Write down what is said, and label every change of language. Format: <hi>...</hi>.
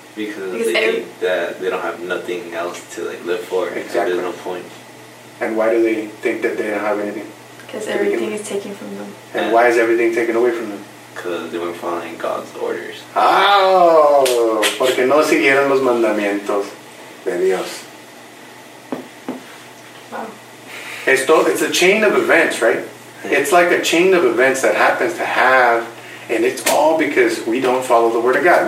<en>Because they think that they don't have nothing else to like live for. Exactly. And there's no point. And why do they think that they don't have anything? Because everything is taken from them. And why is everything taken away from them? Because they weren't following God's orders.</en> <es>Oh, porque no siguieron los mandamientos de Dios.</es> <en>It's a chain of events, right? It's like a chain of events that happens to have, and it's all because we don't follow the word of God.</en>